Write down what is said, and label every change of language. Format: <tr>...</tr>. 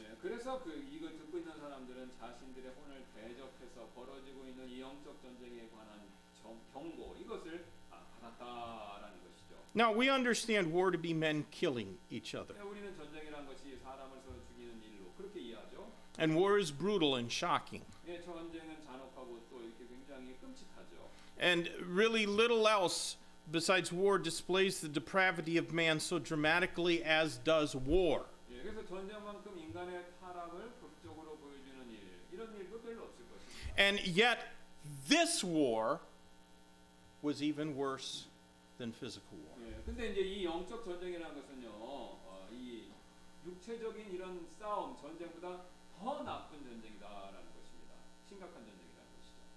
<ko>네, 그래서 그 이걸 듣고 있는 사람들은 자신들의 혼을 대적해서 벌어지고 있는 이 영적 전쟁에 관한 경고 이것을 받았다라는 것이죠.</ko> <en>Now we understand war to be men killing each other.</en> <ko>네, 우리는 전쟁이란 것이 사람을 서로 죽이는 일로 그렇게 이해하죠.</ko> <en>And war is brutal and shocking.</en> <ko>네, 전쟁은 잔혹하고 또 이렇게 굉장히 끔찍하죠.</ko> <en>And really little else besides war displays the depravity of man so dramatically as does war.</en> <ko>예, 그래서 전쟁만큼 인간의 타락을 극적으로 보여주는 일 이런 일도 별로 없을 것입니다.</ko> <en>And yet this war was even worse than physical war.</en> <ko>예, 근데 이제 이 영적 전쟁이라는 것은요 이 육체적인 이런 싸움 전쟁보다 더 나쁜 전쟁이다라는 것입니다. 심각한 전쟁이라는 것이죠.</ko>